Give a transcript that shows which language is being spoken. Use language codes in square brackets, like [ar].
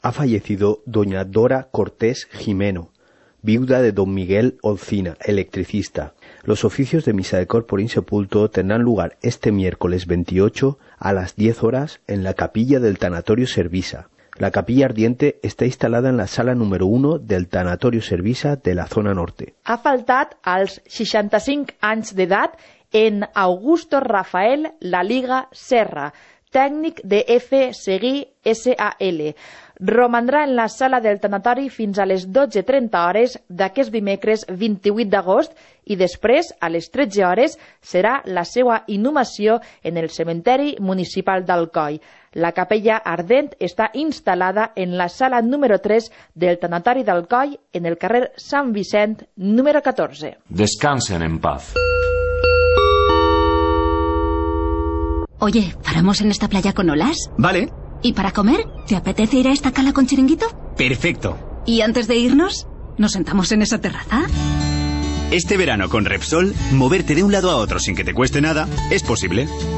[es] Ha fallecido doña Dora Cortés Jimeno, viuda de don Miguel Olcina, electricista. Los oficios de misa de corpus insepulto tendrán lugar este miércoles 28 a las 10 horas en la capilla del Tanatorio Servisa. La capilla ardiente está instalada en la sala número 1 del Tanatorio Servisa de la zona norte. [ca] Ha faltat als 65 anys d'edat en Augusto Rafael La Liga Serra, tècnic de F. Seguí S.A.L. Romandrà en la sala del tanatori fins a les 12:30 hores d'aquest dimecres 28 d'agost i després, a les 13 hores, serà la seva inhumació en el cementeri municipal d'Alcoy. La capella ardent està instal·lada en la sala número 3 del tanatori d'Alcoy, en el carrer Sant Vicent, número 14. [es] Descansen en paz. Oye, ¿paramos en esta playa con olas? Vale. ¿Y para comer? ¿Te apetece ir a esta cala con chiringuito? Perfecto. ¿Y antes de irnos, nos sentamos en esa terraza? Este verano con Repsol, moverte de un lado a otro sin que te cueste nada es posible.